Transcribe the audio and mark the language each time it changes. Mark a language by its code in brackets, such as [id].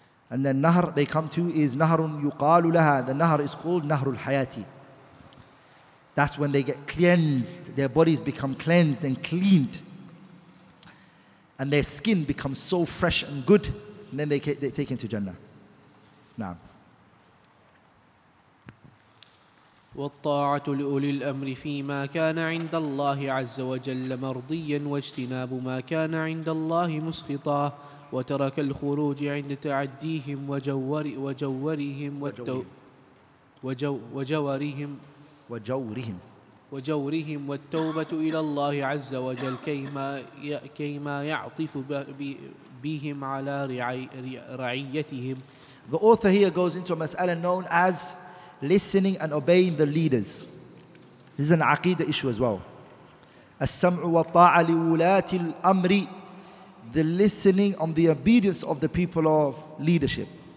[en] And then Nahr they come to is [ar] Nahrun Yuqalu Laha. [en] The Nahr is called Nahrul Hayati. That's when they get cleansed, their bodies become cleansed and cleaned, and their skin becomes so fresh and good, and then they take into Jannah. [ar] Naam. والطاعة لأولي الأمر فيما كان عند الله عز وجل مرضيا واجتناب ما كان عند الله مسخطا وترك الخروج عند تعديهم وجورهم والتوبة إلى الله عز وجل كيما يعطف بهم على رعيتهم. [en] The author here goes into a mas'ala known as listening and obeying the leaders. This is an aqidah issue as well. [ar] As-sam'u wa ta'a li wulati al-amri, [en] the listening on the obedience of the people of leadership.